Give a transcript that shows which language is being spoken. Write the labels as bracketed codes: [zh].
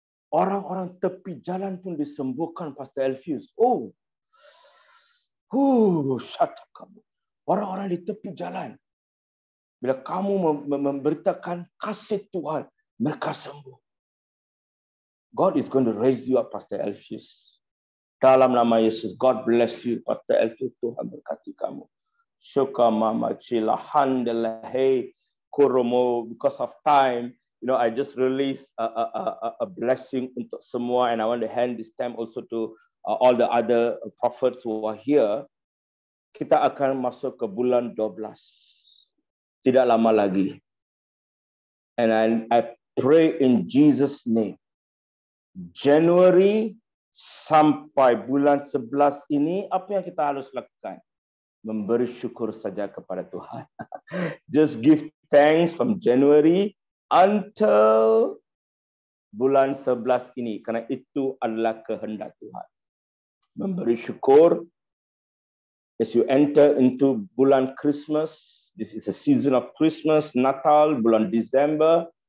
[ms] Orang-orang tepi jalan pun disembuhkan, Pastor Elvius. Oh, shataka. Orang-orang di tepi jalan. Bila kamu memberitakan kasih Tuhan, mereka sembuh. [en] God is going to raise you up, Pastor Elvius. [ms] Dalam nama Yesus, [en] God bless you, Pastor Elvius. [ms] Tuhan berkati kamu. Shoka mama chila handle hey kuromo. [en] Because of time, you know, I just released a blessing [ms] untuk semua, [en] and I want to hand this time also to all the other prophets who are here. [ms] Kita akan masuk ke bulan 12. Tidak lama lagi. [en] And I pray in Jesus' name. [ms] January sampai bulan 11 ini, apa yang kita harus lakukan? Memberi syukur saja kepada Tuhan. [en] Just give thanks from January until [ms] bulan 11 ini. Karena itu adalah kehendak Tuhan. Memberi syukur. [en] As you enter into bulan Christmas, this is a season of Christmas, Natal, bulan December.